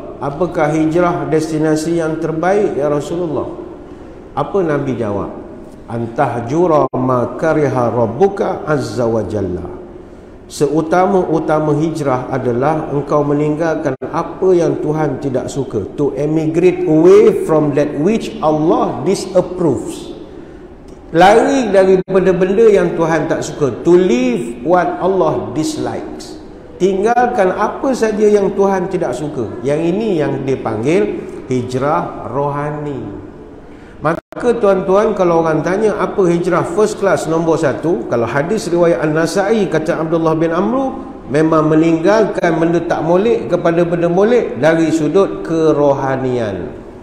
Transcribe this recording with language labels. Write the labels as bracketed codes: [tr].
[ms] Apakah hijrah destinasi yang terbaik ya Rasulullah? Apa Nabi jawab? [ar] Antahjura ma kariha rabbuka azza wa jalla. [ms] Seutama-utama hijrah adalah engkau meninggalkan apa yang Tuhan tidak suka. [en] To emigrate away from that which Allah disapproves. [ms] Lari dari benda-benda yang Tuhan tak suka. [en] To leave what Allah dislikes. [ms] Tinggalkan apa saja yang Tuhan tidak suka. Yang ini yang dipanggil hijrah rohani. Maka tuan-tuan, kalau orang tanya apa hijrah first class nombor satu, kalau hadis riwayat An-Nasa'i kata Abdullah bin Amru, memang meninggalkan benda tak molek kepada benda molek dari sudut kerohanian.